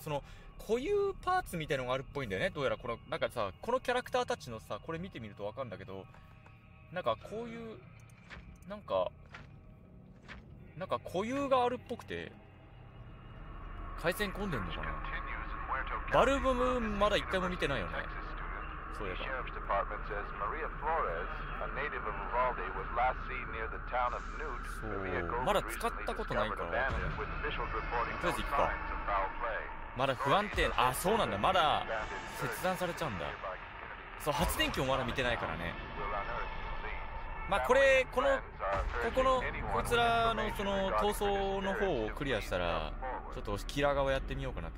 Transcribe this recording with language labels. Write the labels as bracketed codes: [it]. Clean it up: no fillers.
[ja] その固有パーツみたいのがあるっぽいんだよね。どうやらこのなんかさ、このキャラクターたちのさ、これ見てみるとわかるんだけど、なんかこういうなんか固有があるっぽくて、回線混んでんのかな。バルブムーンまだ一回も見てないよね。 [en] Sheriff's Department says Maria Flores, a native of Uvalde, was last seen near the town of Newt. [ja] まだ使ったことないから。とりあえず行くか。まだ不安定。あ、そうなんだ。まだ切断されちゃうんだ。そう、発電機もまだ見てないからね。まあこれ、このここのこちらのその逃走の方をクリアしたら、ちょっとキラー側やってみようかなと。